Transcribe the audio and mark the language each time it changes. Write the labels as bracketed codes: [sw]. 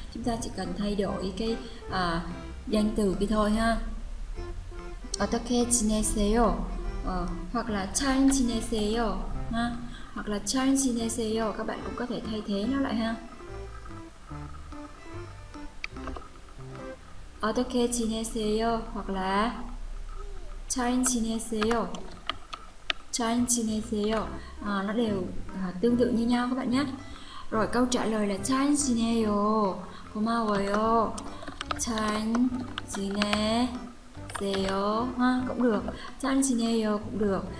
[vi] Chúng ta chỉ cần thay đổi cái danh từ kia thôi ha. [ko] 어떻게 지내세요? [vi] Hoặc là [ko] 잘 지내세요 [vi] ha. Hoặc là 잘 지내세요 các bạn cũng có thể thay thế nó lại ha. [ko] 어떻게 지내세요 [vi] hoặc là [ko] 잘 지내세요 잘 지내세요 [vi] nó đều tương tự như nhau các bạn nhé. Rồi câu trả lời là [ko] 잘 지내요 고마워요 잘 지내 세요 [vi] ha, cũng được. [ko] 잘 지내요 [vi] cũng được.